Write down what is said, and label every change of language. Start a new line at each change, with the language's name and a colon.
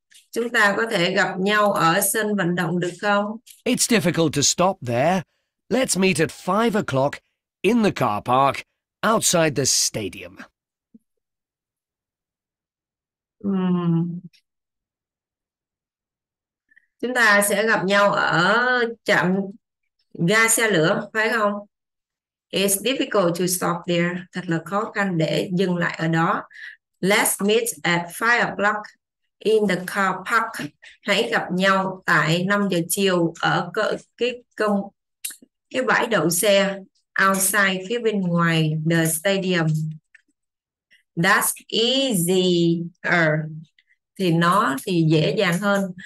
Vietnamese: Chúng ta có thể gặp nhau ở sân vận động được không?
English: It's difficult to stop there. Let's meet at 5 o'clock in the car park outside the stadium.
Vietnamese: Chúng ta sẽ gặp nhau ở trạm ga xe lửa, phải không?
English: It's difficult to stop there.
Vietnamese: Thật là khó khăn để dừng lại ở đó.
English: Let's meet at 5 o'clock in the car park.
Vietnamese: Hãy gặp nhau tại 5 giờ chiều ở cái bãi đậu xe outside, phía bên ngoài the stadium.
English: That's easier.
Vietnamese: Thì nó thì dễ dàng hơn.